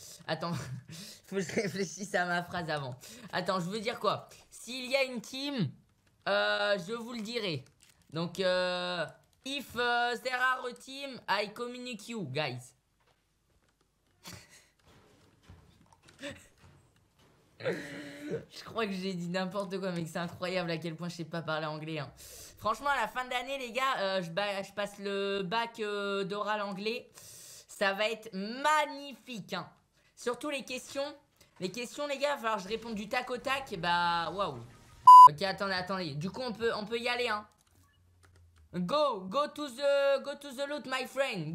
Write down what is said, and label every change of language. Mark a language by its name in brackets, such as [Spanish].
[French] Attends, faut que je réfléchisse à ma phrase avant. Attends, je veux dire quoi? S'il y a une team, je vous le dirai. [English] Donc, if there are a team, I communicate you, guys. [French] Je crois que j'ai dit n'importe quoi, mais c'est incroyable à quel point je sais pas parler anglais. Hein. Franchement, à la fin d'année, les gars, je passe le bac d'oral anglais. Ça va être magnifique, hein. Surtout les questions. Les questions, les gars, il va falloir que je réponde du tac au tac. Bah, waouh. Ok, attendez, attendez. Du coup, on peut y aller, hein. [English] Go, go to the loot, my friend.